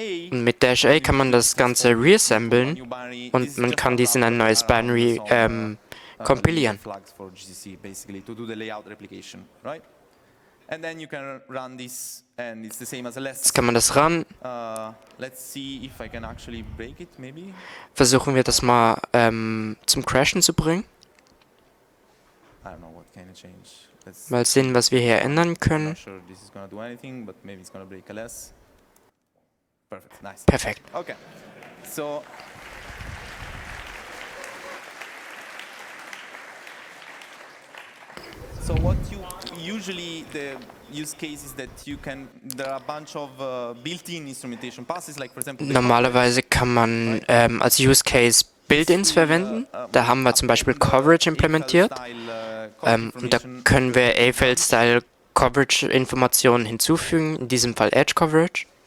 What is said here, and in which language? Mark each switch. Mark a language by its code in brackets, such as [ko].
[de] Und mit Dash A kann man das Ganze reassemblen und man kann dies in ein neues Binary kompilieren. [en] Flags for GCC basically to do the layout replication, right? And then you can run this and it's the same as a less. [de] Jetzt kann man das ran. [en] Let's see if I can actually break it, maybe. [de] Versuchen wir das mal zum Crashen zu bringen. [en] I don't know what kind of change. [de] Let's mal sehen, was wir hier ändern können. [en] Not sure this is gonna do anything, but maybe it's gonna break a less. Perfect. Nice. Perfekt. Okay. So what you usually the use case is that you can there are a bunch of built-in instrumentation passes like for example. [de] Normalerweise kann man als Use Case Built-ins verwenden. Da haben wir zum Beispiel Coverage implementiert. Und da können wir AFL-Style Coverage Informationen hinzufügen. In diesem Fall Edge Coverage.